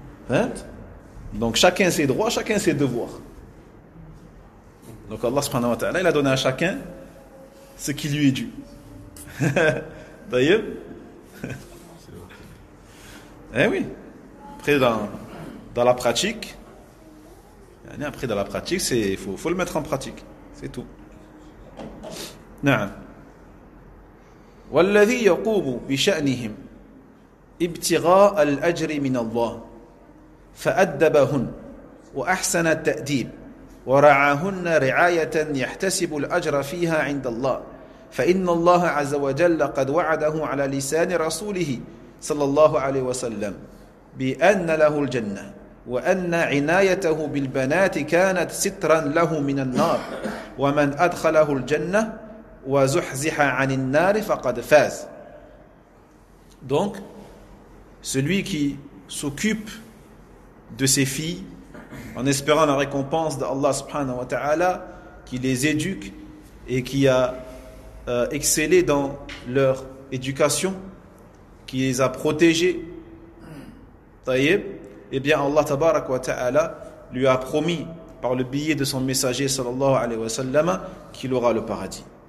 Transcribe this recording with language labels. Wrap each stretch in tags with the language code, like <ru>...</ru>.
<fr>Hein? Donc chacun ses droits, chacun ses devoirs. Donc Allah subhanahu wa ta'ala, il a donné à chacun ce qui lui est dû. D'ailleurs, eh oui, après dans la pratique, c'est faut le mettre en pratique, c'est tout.</fr> <ar>نعم. والذي يقوم بشأنهم ابتغاء الأجر من الله فأدبهن وأحسن التأديب ورعاهن رعاية يحتسب الأجر فيها عند الله فإن الله عز وجل قد وعده على لسان رسوله صلى الله عليه وسلم بأن له الجنة وأن عنايته بالبنات كانت سترا له من النار ومن أدخله الجنة وزحزح عن النار فقد فاز.</ar> <fr>Donc celui qui s'occupe de ses filles en espérant la récompense d'Allah subhanahu wa ta'ala, qui les éduque et qui a excellé dans leur éducation, qui les a protégées, tayyib, eh bien Allah tabarak wa ta'ala lui a promis par le billet de son messager sallallahu alayhi wa sallam qu'il aura le paradis.</fr>